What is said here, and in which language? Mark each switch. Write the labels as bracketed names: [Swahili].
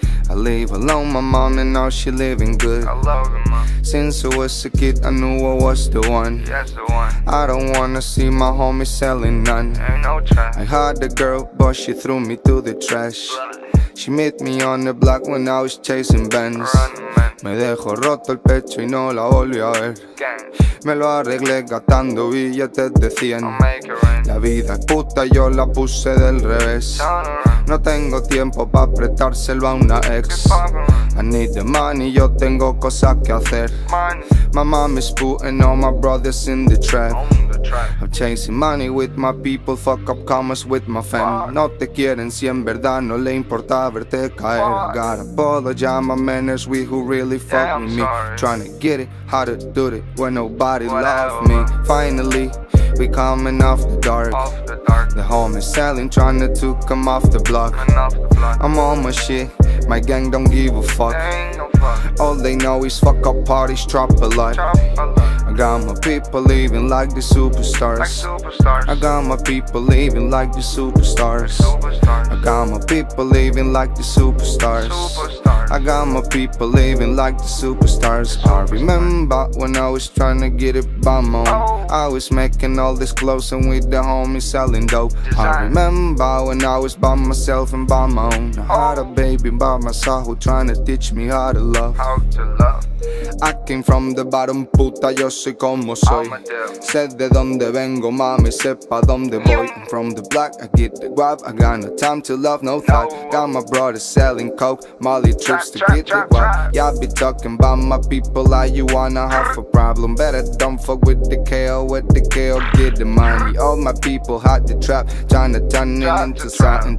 [English] I live alone, my mom, and now she living good. I love you, mom. Since I was a kid, I knew I was the one. Yes, the one. I don't wanna see my homies selling none. Ain't no trash. I had a girl, but she threw me to the trash. She met me on the block when I was chasing bands. [Spanish] Me dejo roto el pecho y no la volví a ver. Me lo arreglé gastando billetes de 100. La vida es puta, yo la puse del revés. No tengo tiempo pa' prestárselo a una ex. [English] I need the money, [Spanish] yo tengo cosas que hacer. [English] My mom is putting all my brothers in the trap. I'm chasing money with my people, fuck up commas with my fam. [Spanish] No te quieren si en verdad no le importa verte caer. [English] I got a bottle, ya my manners, we who really fuck with me. Trying to get it, how to do it, when nobody loves me. Finally, we coming off the dark. The homies selling, trying to come off the block. I'm on my shit, my gang don't give a fuck. All they know is fuck up parties, drop a lot. I got my people living like the superstars. I got my people living like the superstars. I got my people living like the superstars. I got my people living like the superstars. I remember when I was trying to get it by my own. I was making all this clothes and with the homies selling dope. I remember when I was by myself and by my own. I had a baby by my side who trying to teach me how to love. I came from the bottom, puta, [Spanish] yo soy como soy. Sé de donde vengo, mami, sepa donde voy. [English] I'm from the block, I get the guap. I got no time to love, no thought. Got my brother selling coke, Molly trips to get the guap. Y'all be talking about my people like you wanna have a problem. Better don't fuck with the KO, with the KO, get the money. All my people hot the trap, tryna turn it into something.